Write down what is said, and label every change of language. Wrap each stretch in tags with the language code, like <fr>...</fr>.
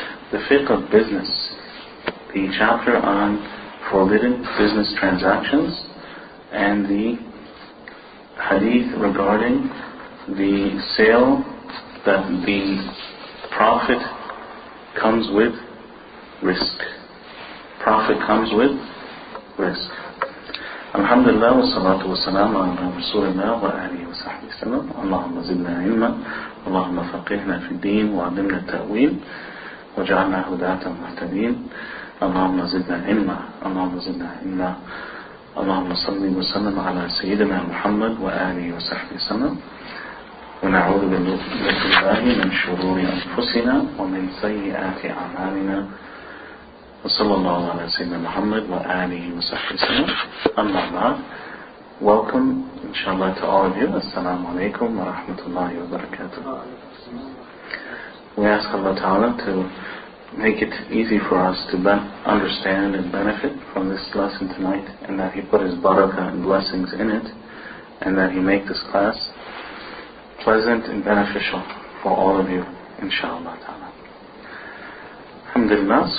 <en>The Fiqh of Business, the chapter on forbidden business transactions and the hadith regarding the sale that the profit comes with risk. Profit comes with risk.</en> <ar>الحمد لله والصلاة والسلام على رسول الله وآله وصحبه وسلم. اللهم زدنا علما، اللهم فقهنا في الدين وعلمنا التأويل وجعلنا هداة مهتدين. اللهم زدنا علما، اللهم زدنا علما، اللهم صل وسلم على سيدنا محمد وآله وصحبه وسلم. ونعوذ بالله من شرور أنفسنا ومن سيئات أعمالنا. صلى الله على سيدنا محمد وآله وصحبه وسلم. أما بعد، welcome إن شاء الله to all of you. السلام عليكم ورحمة الله وبركاته.</ar> <en>We ask Allah Ta'ala to make it easy for us to understand and benefit from this lesson tonight, and that He put His barakah and blessings in it, and that He make this class pleasant and beneficial for all of you, inshallah ta'ala. Alhamdulillah.</en>